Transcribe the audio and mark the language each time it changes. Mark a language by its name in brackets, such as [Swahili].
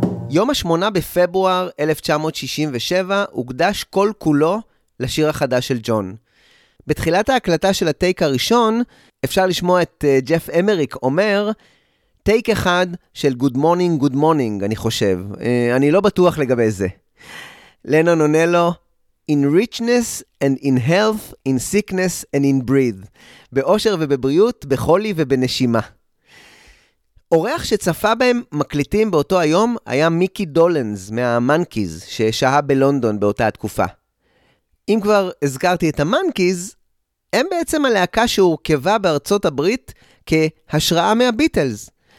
[Hebrew] יום השמונה בפברואר 1967 הוקדש כל כולו לשיר החדש של ג'ון. בתחילת ההקלטה של הטייק הראשון, אפשר לשמוע את ג'ף אמריק אומר, טייק אחד של גוד מורנינג גוד מורנינג, אני חושב. אני לא בטוח לגבי זה. לנון עונה לו, [English] In richness and in health, in sickness and in breath. [Hebrew] באושר ובבריאות, בחולי ובנשימה. אורח שצפה בהם מקליטים באותו היום היה מיקי דולנס מהמנקיז ששהה בלונדון באותה התקופה. אם כבר הזכרתי את המנקיז, הם בעצם הלהקה שהורכבה בארצות הברית כהשראה מהביטלס.